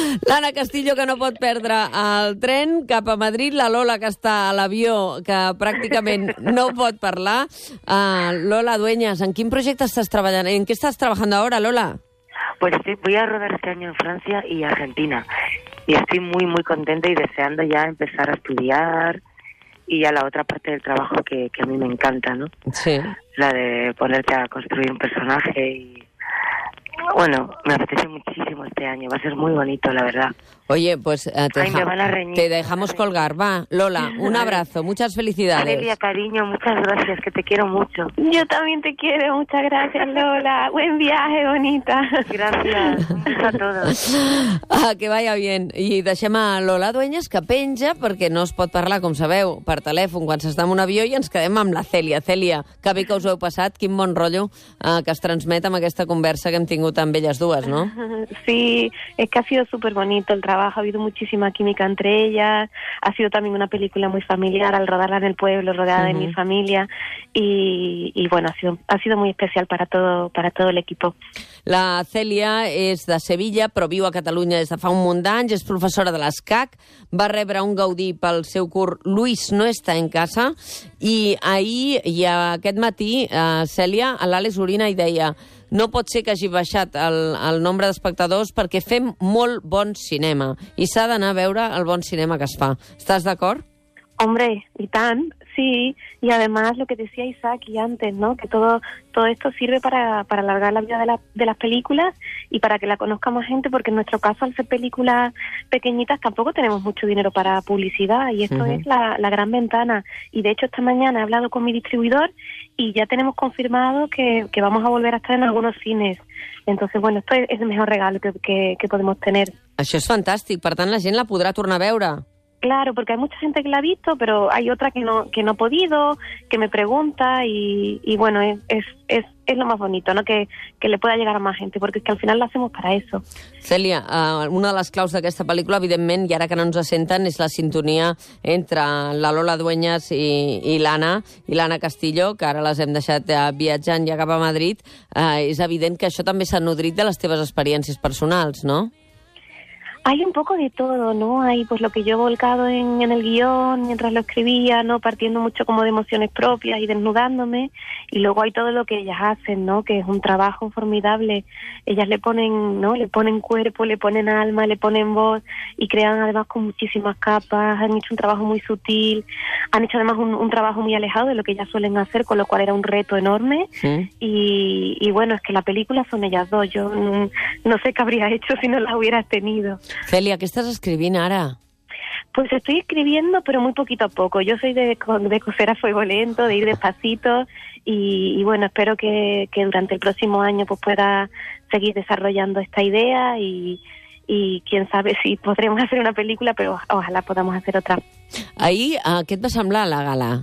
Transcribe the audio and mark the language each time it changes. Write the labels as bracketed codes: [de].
[ca] L'Anna Castillo, que no pot perdre el tren cap a Madrid, la Lola, que està a l'avió, que pràcticament no pot parlar. Lola Dueñas, en quin projecte estàs treballant? En què estàs treballant ara, Lola? [es] Pues sí, voy a rodar este año en Francia y Argentina. Y estoy muy, muy contenta y deseando ya empezar a estudiar y ya la otra parte del trabajo que a mí me encanta, ¿no? Sí. La de ponerte a construir un personaje y, bueno, me apetece muchísimo este año. Va a ser muy bonito, la verdad. Oye, pues te dejamos colgar, va. Lola, un abrazo, muchas felicidades. Alegría, cariño, muchas gracias, que te quiero mucho. Yo también te quiero, muchas gracias, Lola. Buen viaje, bonita. Gracias a todos. Ah, que vaya bien. [ca] I deixem a Lola Dueñas, que penja, perquè no es pot parlar, com sabeu, per telèfon, quan s'està en un avió, i ens quedem amb la Cèlia. Cèlia, que bé que us heu passat, quin bon rotllo que es transmet amb aquesta conversa que hem tingut amb elles dues, no? Sí, es que ha sido superbonito el trabajo, ha habido muchísima química entre ellas, ha sido también una película muy familiar al rodarla en el pueblo, rodeada uh-huh. de mi familia, y bueno, ha sido muy especial para todo el equipo. La Cèlia és de Sevilla, però viu a Catalunya des de fa un munt d'anys, és professora de l'ESCAC, va rebre un Gaudí pel seu curt Luis no está en casa, i ahir i aquest matí Cèlia a l'Àlex Orina hi deia... No pot ser que hagi baixat el nombre d'espectadors perquè fem molt bon cinema i s'ha d'anar a veure el bon cinema que es fa. Estàs d'acord? [es] Hombre, y tan, sí. Y además lo que decía Isaac y antes, ¿no? Que todo esto sirve para alargar la vida de las películas y para que la conozca más gente, porque en nuestro caso, al ser películas pequeñitas, tampoco tenemos mucho dinero para publicidad y esto uh-huh. es la gran ventana. Y de hecho, esta mañana he hablado con mi distribuidor y ya tenemos confirmado que vamos a volver a estar en algunos cines. Entonces, bueno, esto es el mejor regalo que podemos tener. [ca] Això és fantàstic. Per tant, la gent la podrà tornar a veure. [es] Claro, porque hay mucha gente que la ha visto, pero hay otra que no ha podido, que me pregunta y bueno, es lo más bonito, ¿no? Que le pueda llegar a más gente, porque es que al final la hacemos para eso. Cèlia, una de les claus d'aquesta pel·lícula, evidentment, i ara que no ens senten, és la sintonia entre la Lola Dueñas i l'Anna Castillo, que ara les hem deixat viatjant ja cap a Madrid. És evident que això també s'ha nodrit de les teves experiències personals, no? Hay un poco de todo, ¿no? Hay pues lo que yo he volcado en el guión mientras lo escribía, ¿no? Partiendo mucho como de emociones propias y desnudándome. Y luego hay todo lo que ellas hacen, ¿no? Que es un trabajo formidable. Ellas le ponen, ¿no? Le ponen cuerpo, le ponen alma, le ponen voz y crean además con muchísimas capas. Han hecho un trabajo muy sutil. Han hecho además un trabajo muy alejado de lo que ellas suelen hacer, con lo cual era un reto enorme. ¿Sí? Y bueno, es que la película son ellas dos. Yo no sé qué habría hecho si no las hubiera tenido. Cèlia, ¿qué estás escribiendo ahora? Pues estoy escribiendo, pero muy poquito a poco. Yo soy de coser a fuego lento, de ir despacito. Y bueno, espero que durante el próximo año pues pueda seguir desarrollando esta idea y quién sabe si podremos hacer una película, pero ojalá podamos hacer otra. [ca] Ahir, què et va semblar la gala?